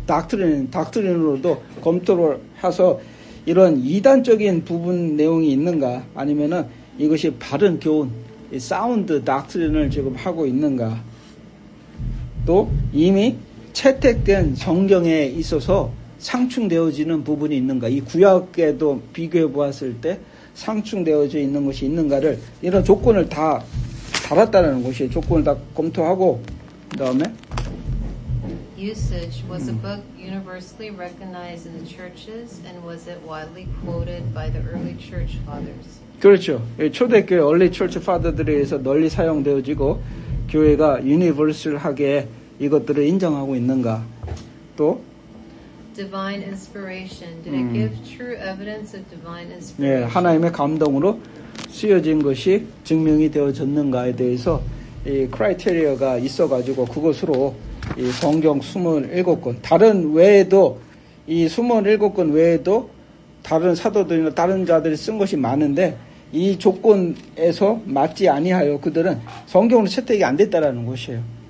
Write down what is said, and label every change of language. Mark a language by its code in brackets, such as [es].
[ko] doctrine으로도 검토를 해서 이런 이단적인 부분 내용이 있는가 아니면은 이것이 바른 교훈, 이 사운드 닥트린을 지금 하고 있는가 또 이미 채택된 성경에 있어서 상충되어지는 부분이 있는가 이 구약에도 비교해 보았을 때 상충되어져 있는 것이 있는가를 이런 조건을 다 달았다는 것이 조건을 다 검토하고 그 다음에 [en] usage was a book universally recognized in the churches and was it widely quoted by the early church fathers? [ko] 그렇죠. 초대교회 early church father들에 의해서 널리 사용되어지고 교회가 universal하게 이것들을 인정하고 있는가? 또 [en] divine inspiration. Did it give true evidence of divine inspiration? [ko] 예, 하나님의 감동으로 쓰여진 것이 증명이 되어졌는가에 대해서 이 크라이테리어가 있어가지고 그것으로 이 성경 27권 다른 외에도 이 27권 외에도 다른 사도들이나 다른 자들이 쓴 것이 많은데 이 조건에서 맞지 아니하여 그들은 성경으로 채택이 안 됐다라는 것이에요.